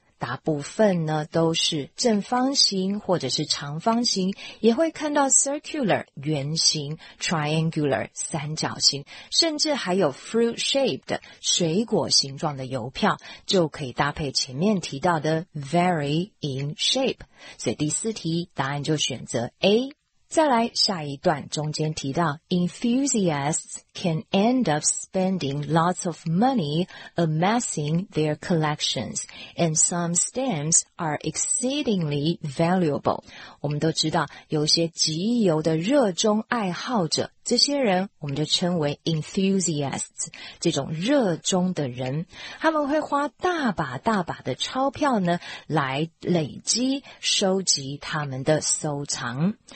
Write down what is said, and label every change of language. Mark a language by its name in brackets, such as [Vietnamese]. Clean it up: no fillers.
[Chinese] 大部分呢都是正方形或者是长方形，也会看到 circular 圆形， triangular 三角形，甚至还有 [English] fruit shaped [Chinese] 水果形状的邮票，就可以搭配前面提到的 [English] vary in shape。 [Chinese] 所以第四题答案就选择 A。再来下一段，中间提到 [English] enthusiasts can end up spending lots of money amassing their collections, and some stamps are exceedingly valuable. [Chinese] 我们都知道有些集邮的热衷爱好者，这些人我们就称为 enthusiasts， 这种热衷的人，他们会花大把大把的钞票呢来累积收集他们的收藏。